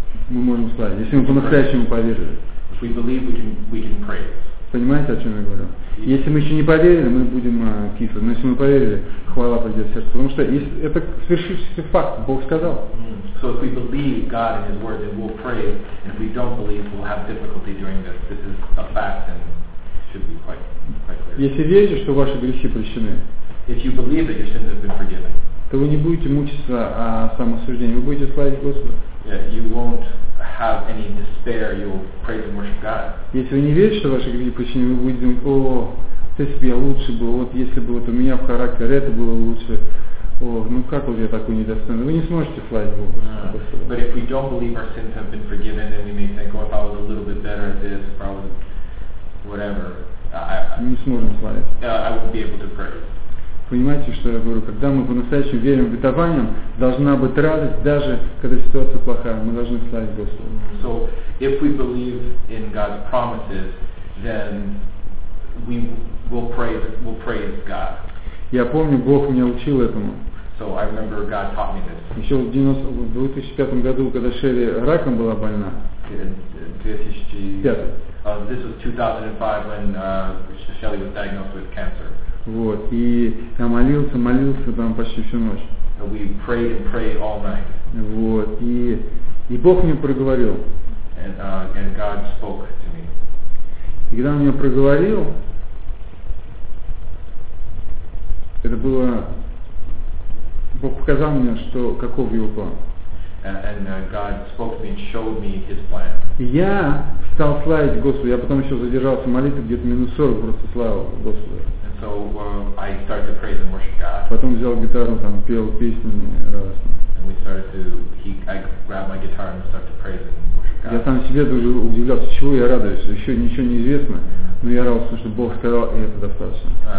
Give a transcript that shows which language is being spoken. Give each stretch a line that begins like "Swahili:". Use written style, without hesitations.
Russian: Мы можем славить, если мы по-настоящему поверили.
English: If we believe, we can praise.
Russian: Понимаете, о чем я говорю? Если мы еще не поверили, мы будем кислы. Но если мы поверили, хвала придет в сердце. Потому что если, это свершившийся факт, Бог сказал.
English: So if we believe God and His word, then we'll pray. And if we don't believe, we'll have difficulty doing this. This is a fact and should be quite clear.
Russian: Если верите, что ваши грехи прощены,
English: if you believe that your sins have been forgiven,
Russian: то вы не будете мучиться о самосуждении. Вы будете славить Господа.
English: Yeah, you won't have any despair, you'll praise and worship God.
Russian: Если вы не верите, что ваши грехи прощены, вы будете думать, о, ты себе лучше был, вот если бы вот у меня в характере это было лучше, о, ну как вот я такой недостойный, вы не сможете славить Бога.
English: But if we don't believe our sins have been forgiven, then we may think, oh, if I was a little bit better at this, if I was whatever,
Russian: не сможем славить.
English: I won't be able to praise.
Russian: Понимаете, что я говорю? Когда мы по-настоящему верим в обетование, должна быть радость, даже когда ситуация плохая, мы должны славить Господа.
English: So, if we believe in God's promises, then we will praise God.
Russian: Я помню, Бог меня учил этому.
English: So, I remember God taught me this.
Russian: Еще в 2005 году, когда Шерри раком была больна.
English: This was 2005 when Shelly was diagnosed with cancer.
Russian: Вот, и я молился, молился там почти всю ночь.
English: We prayed and prayed all night.
Russian: Вот, и Бог мне проговорил.
English: And God spoke to me.
Russian: И когда он мне проговорил, это было, Бог показал мне, что каков его план.
English: And God spoke to me and showed me His plan.
Russian: Я стал славить Господа. Я потом еще задержался молитвой где-то минут 40 просто славил Господа.
English: And so I started to praise and worship God.
Russian: Потом взял гитару там пел песни радостно.
English: And we started to I grabbed my guitar and started to praise and worship God.
Russian: Я сам себе даже удивлялся, чего я радуюсь. Еще ничего не известно, но я радовался, что Бог сказал, и это достаточно.